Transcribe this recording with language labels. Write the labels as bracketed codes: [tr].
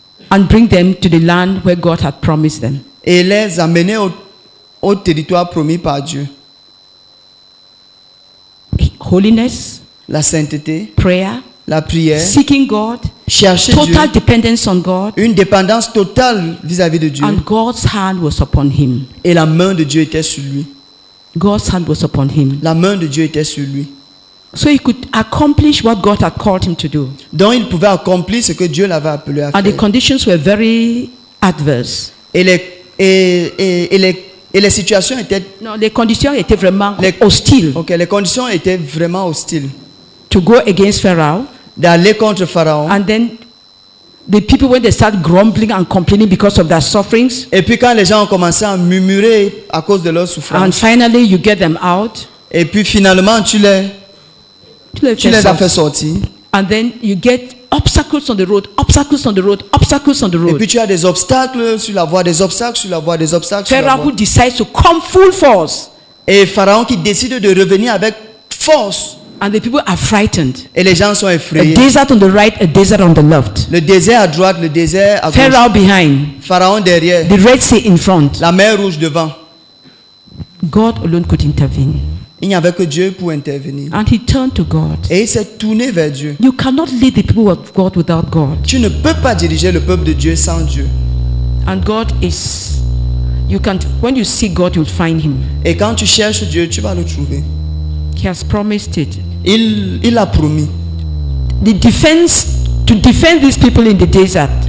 [en] And bring them to the land where God had promised them. [fr] Et les amener au territoire promis par Dieu. [en] Holiness. [fr] La sainteté. [en] Prayer. [fr] La prière. [en] Seeking God. [fr] Chercher [en] total [fr] Dieu. [en] Total dependence on God. [fr] Une dépendance totale vis-à-vis de Dieu. [en] And God's hand was upon him. [fr] Et la main de Dieu était sur lui. [en] God's hand was upon him. [fr] La main de Dieu était sur lui. [en] So he could accomplish what God had called him to do. [fr] Donc il pouvait accomplir ce que Dieu l'avait appelé à faire. [en] And the conditions were very adverse. [fr] Et les situations étaient. Non, les conditions étaient vraiment hostiles. Okay, les conditions étaient vraiment hostiles. [en] To go against Pharaoh. [fr] D'aller contre Pharaon. [en] And then the people, when they start grumbling and complaining because of their sufferings. [fr] Et puis quand les gens ont commencé à murmurer à cause de leurs souffrances. [en] And finally you get them out. [fr] Et puis finalement tu les as fait sortir. [en] And then you get obstacles on the road, obstacles on the road, obstacles on the road. [fr] Et puis tu as des obstacles sur la voie, des obstacles sur la voie, des obstacles [en] Pharaoh [fr] sur la voie. [en] Pharaoh decides to come full force. [fr] Et Pharaon qui décide de revenir avec force. [en] And the people are frightened. [fr] Et les gens sont effrayés. [en] A desert on the right, a desert on the left. [fr] Le désert à droite, le désert à gauche. [en] Pharaoh behind. [fr] Pharaon derrière. [en] The Red Sea in front. [fr] La mer rouge devant. [en] God alone could intervene. [fr] Il n'y avait que Dieu pour intervenir. [en] And he turned to God. [fr] Et il s'est tourné vers Dieu. [en] You cannot lead the people of God without God. [fr] Tu ne peux pas diriger le peuple de Dieu sans Dieu. [en] And God is, you can't. When you see God, you'll find him. [fr] Et quand tu cherches Dieu, tu vas le trouver. [en] He has promised it. [fr] Il a promis. [en] The defense to defend these people in the desert.